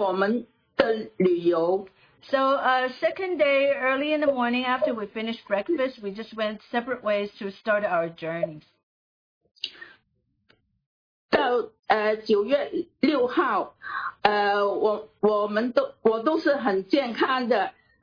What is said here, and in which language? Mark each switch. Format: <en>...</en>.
<zh>所以在第二天一早，我们吃过早餐，我们就分道而行，开始我们的旅游。So</zh> <en>second day, early in the morning, after we finished breakfast, we just went separate ways to start our journey.</en> <zh>到9月6号，我都是很健康的。</zh>